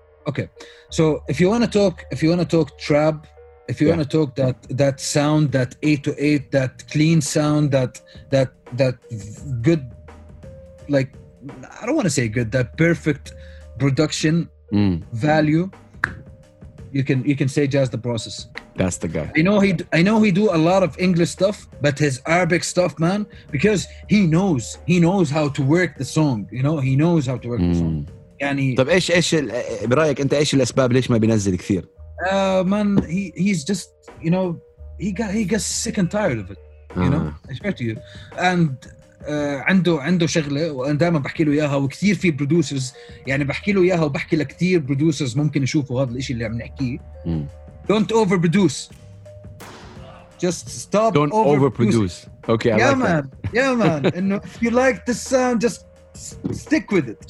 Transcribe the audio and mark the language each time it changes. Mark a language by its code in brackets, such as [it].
[en] Okay, so if you want to talk trap, if you yeah. want to talk that sound, that 808, that clean sound, that good, like I don't want to say good, that perfect production value, you can say Jazz the Process. That's the guy. I know he do a lot of English stuff, but his Arabic stuff, man, because he knows how to work the song. You know, he knows how to work the song. [ar] يعني. طب إيش برأيك أنت إيش الأسباب ليش ما بينزل كثير؟ [en] Man, he's just you know he gets sick and tired of it. You know, I swear to you. [ar] And عنده شغلة وأنا دائما بحكي له إياها وكثير في producers يعني بحكي له إياها وبحكي لكثير producers ممكن يشوفوا هذا الإشي اللي عم نحكيه. [en] Don't overproduce. just stop. Don't overproduce. Okay, yeah, I like man. That. Yeah, man. And if you like the sound, just stick with it.